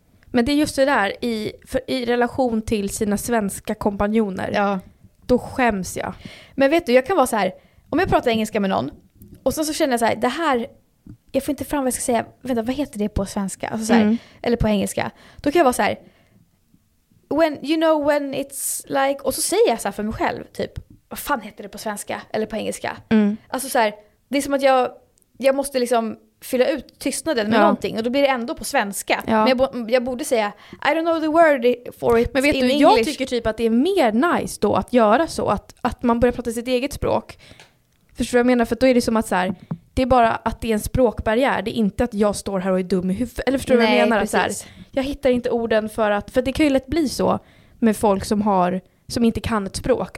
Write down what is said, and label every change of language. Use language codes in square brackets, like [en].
[sv] Men det är just det där, i relation till sina svenska kompanjoner. Ja. Då skäms jag. Men vet du, jag kan vara så här. Om jag pratar engelska med någon. Och sen så känner jag så här. Det här, jag får inte fram vad jag ska säga. Vänta, vad heter det på svenska? Alltså så här, eller på engelska. Då kan jag vara så här. [en] When, you know when it's like. [sv] Och så säger jag så här för mig själv. Typ, vad fan heter det på svenska? Eller på engelska? Mm. Alltså så här. Det är som att jag måste liksom fylla ut tystnaden med någonting. Och då blir det ändå på svenska. Ja. Men jag borde säga, [en] I don't know the word for it. [sv] Men vet [en] in [sv] du, [en] English. [sv] Jag tycker typ att det är mer nice då att göra så. Att man börjar prata sitt eget språk. Förstår du vad jag menar? För då är det som att så här, det är bara att det är en språkbarriär. Det är inte att jag står här och är dum i huvudet. Eller förstår du vad jag menar? Så här, jag hittar inte orden för det kan ju lätt bli så med folk som inte kan ett språk.